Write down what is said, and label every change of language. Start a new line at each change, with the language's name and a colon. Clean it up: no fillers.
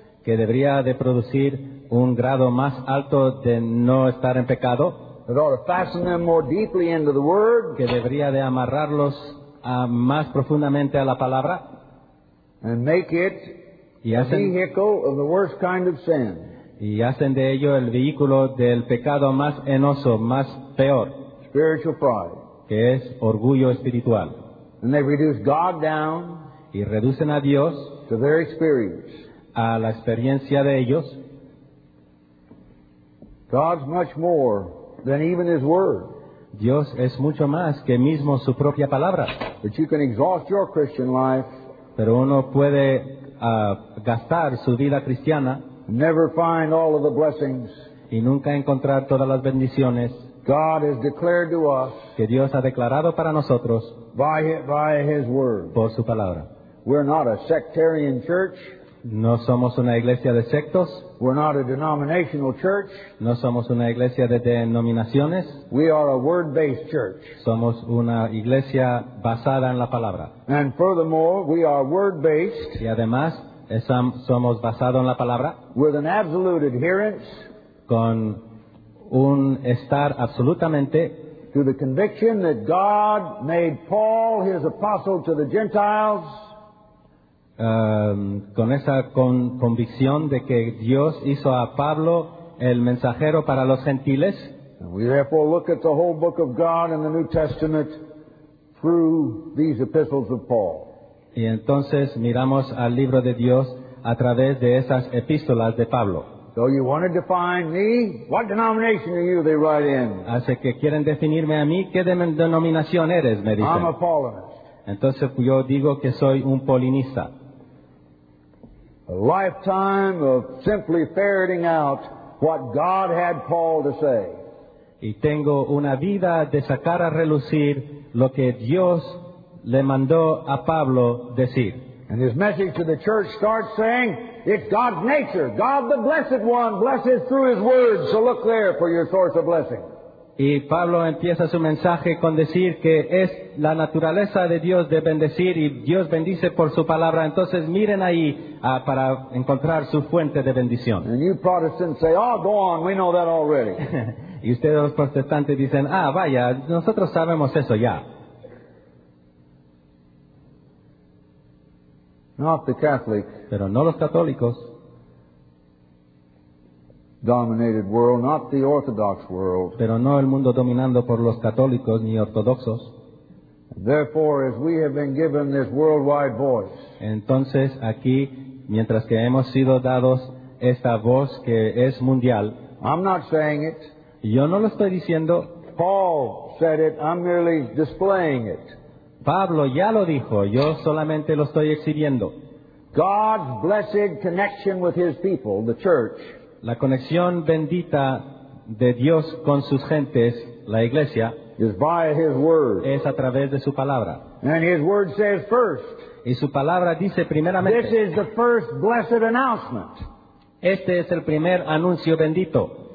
Spanish: Que debería de producir un grado más alto de no estar en pecado.
English: That ought to fasten them more deeply into the word.
Spanish: Que debería de amarrarlos más profundamente a la palabra.
English: And make it the vehicle of the worst kind of sin.
Spanish: Y hacen de ello el vehículo del pecado más enoso, más peor.
English: Spiritual pride.
Spanish: Que es orgullo espiritual.
English: And they reduce God down.
Spanish: Y reducen a Dios.
English: To their experience.
Spanish: A la experiencia de ellos.
English: God's much more than even his word.
Spanish: Dios es mucho más que mismo su propia palabra.
English: But you can exhaust your Christian life.
Spanish: Pero uno puede gastar su vida cristiana.
English: Never find all of the blessings.
Spanish: Y nunca encontrar todas las bendiciones.
English: God has declared to us.
Spanish: Que Dios ha declarado para nosotros.
English: By his word.
Spanish: Por su palabra.
English: We're not a sectarian church.
Spanish: No somos una iglesia de sectos.
English: We're not a denominational church.
Spanish: No somos una iglesia de denominaciones.
English: We are a word-based church.
Spanish: Somos una iglesia basada en la palabra.
English: And furthermore, we are word-based.
Spanish: Y además, somos basado en la palabra.
English: With an absolute adherence.
Spanish: Con un estar absolutamente.
English: To the conviction that God made Paul his apostle to the Gentiles.
Spanish: Con esa convicción de que Dios hizo a Pablo el mensajero para los gentiles.
English: And we therefore look at the whole book of God in the New Testament through these epistles of Paul.
Spanish: Y entonces miramos al libro de Dios a través de esas epístolas de Pablo.
English: So you want to define me? What denomination are you? They write in.
Spanish: Así que quieren definirme a mí. ¿Qué denominación eres? Me dicen.
English: I'm a Paulinist.
Spanish: Entonces yo digo que soy un polinista.
English: A lifetime of simply ferreting out what God had Paul to say.
Spanish: Y tengo una vida de sacar a relucir lo que Dios le mandó a Pablo decir.
English: And his message to the church starts saying, it's God's nature. God the Blessed One blesses through his word. So look there for your source of blessing.
Spanish: Y Pablo empieza su mensaje con decir que es la naturaleza de Dios de bendecir y Dios bendice por su palabra. Entonces miren ahí para encontrar su fuente de bendición.
English: And you Protestants say, oh, go on, we know that already.
Spanish: Y ustedes los protestantes dicen, ah, vaya, nosotros sabemos eso ya.
English: Not the Catholics.
Spanish: Pero no los católicos.
English: Dominated world, not the Orthodox world.
Spanish: Pero no el mundo dominado por los católicos ni ortodoxos.
English: Therefore, as we have been given this worldwide voice.
Spanish: Entonces aquí, mientras que hemos sido dados esta voz que es mundial.
English: I'm not saying it.
Spanish: Yo no lo estoy diciendo.
English: Paul said it. I'm merely displaying it.
Spanish: Pablo ya lo dijo. Yo solamente lo estoy exhibiendo.
English: God's blessed connection with His people, the church.
Spanish: La conexión bendita de Dios con sus gentes, la iglesia.
English: Is by His word.
Spanish: Es a través de su palabra.
English: And His word says first.
Spanish: Y su palabra dice primeramente.
English: This is the first blessed announcement.
Spanish: Este es el primer anuncio bendito.